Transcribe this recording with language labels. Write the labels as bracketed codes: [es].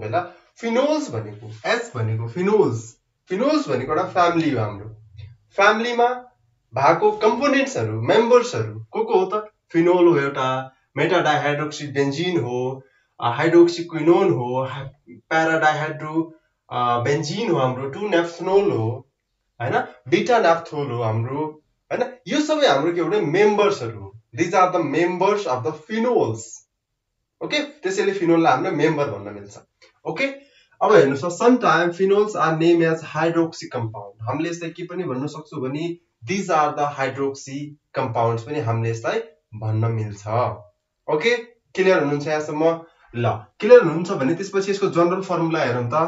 [ne] पहिला फिनोल्स भनेको एस भनेको फिनोल्स भनेको एउटा फ्यामिली हो हाम्रो, फ्यामिलीमा भएको कम्पोनेन्ट्सहरू मेम्बर्सहरू को हो त, फिनोल हो एउटा, मेटाडाइहाइड्रोक्सी बेन्जिन हो, हाइड्रोक्सी क्विनोन हो, प्याराडाइहाइड्रो बेन्जिन हो हाम्रो, 2-नेफ्थनोल होइन, बिटा नेफ्थोल हो हाम्रो, होइन, यो सबै हाम्रो के भने मेम्बर्सहरू हो। [en] These are the members of the phenols. [ne] Okay, त्यसैले फिनोललाई हामीले मेम्बर भन्न मिल्छ। ओके, अब हेर्नुहोस् त, [en] Some time phenols are name as hydroxy compound. [ne] हामीले यसलाई के पनि भन्न सक्छौँ भने [en] these are the hydroxy compounds [ne] पनि हामीले यसलाई भन्न मिल्छ। ओके, क्लियर हुनुहुन्छ यहाँसम्म? ल, क्लियर हुनुहुन्छ भने त्यसपछि यसको जनरल फर्मुला हेरौँ त।